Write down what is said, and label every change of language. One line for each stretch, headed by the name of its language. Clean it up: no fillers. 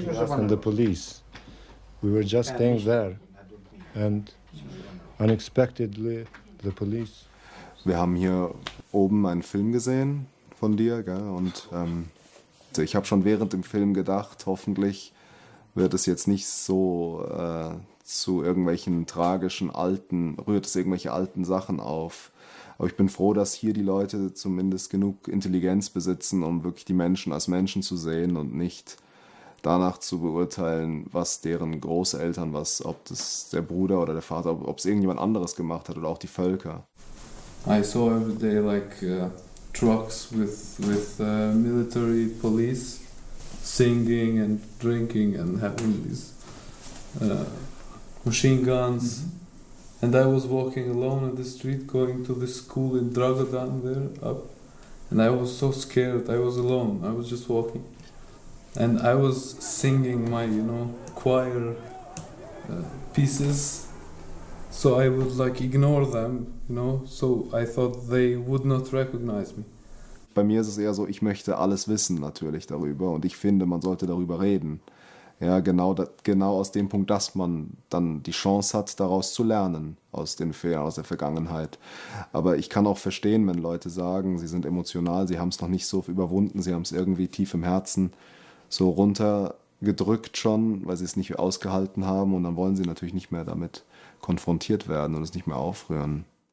English: And the police, we were just staying there, and unexpectedly the police...
German: Wir haben hier oben einen Film gesehen von dir, gell, und... Ich habe schon während dem Film gedacht, hoffentlich wird es jetzt nicht so zu irgendwelchen tragischen alten, rührt es irgendwelche alten Sachen auf. Aber ich bin froh, dass hier die Leute zumindest genug Intelligenz besitzen, um wirklich die Menschen als Menschen zu sehen und nicht danach zu beurteilen, was deren Großeltern, was, ob das der Bruder oder der Vater, ob es irgendjemand anderes gemacht hat oder auch die Völker.
English: I saw every day like... trucks with military police singing and drinking and having these machine guns. Mm-hmm. And I was walking alone in the street going to the school in Dragadan there up. And I was so scared. I was alone. I was just walking. And I was singing my, you know, choir pieces. So I would like ignore them, you know, so I thought they would not recognize me.
German: Bei mir ist es eher so, ich möchte alles wissen natürlich darüber und ich finde, man sollte darüber reden. Ja, genau aus dem Punkt, dass man dann die Chance hat, daraus zu lernen, aus den Fehlern, aus der Vergangenheit. Aber ich kann auch verstehen, wenn Leute sagen, sie sind emotional, sie haben es noch nicht so überwunden, sie haben es irgendwie tief im Herzen so runtergedrückt schon, weil sie es nicht ausgehalten haben und dann wollen sie natürlich nicht mehr damit konfrontiert werden und es nicht mehr aufrühren.